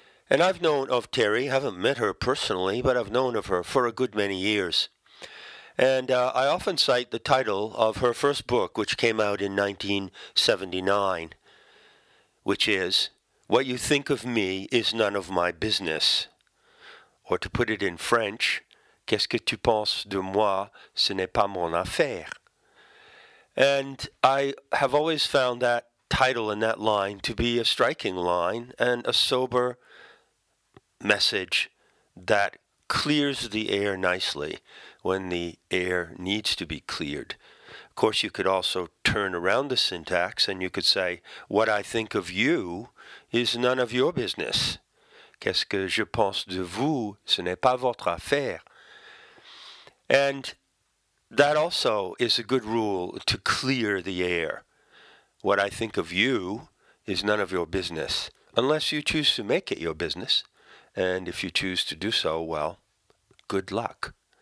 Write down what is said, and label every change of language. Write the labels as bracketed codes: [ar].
[en] And I've known of Terry, haven't met her personally, but I've known of her for a good many years. And I often cite the title of her first book, which came out in 1979, which is What You Think of Me Is None of My Business. Or to put it in French, [fr] Qu'est-ce que tu penses de moi, ce n'est pas mon affaire. [en] And I have always found that title and that line to be a striking line and a sober message that clears the air nicely when the air needs to be cleared. Of course, you could also turn around the syntax and you could say, what I think of you is none of your business. [fr] Qu'est-ce que je pense de vous? Ce n'est pas votre affaire. [en] And that also is a good rule to clear the air. What I think of you is none of your business, unless you choose to make it your business. And if you choose to do so, well, good luck.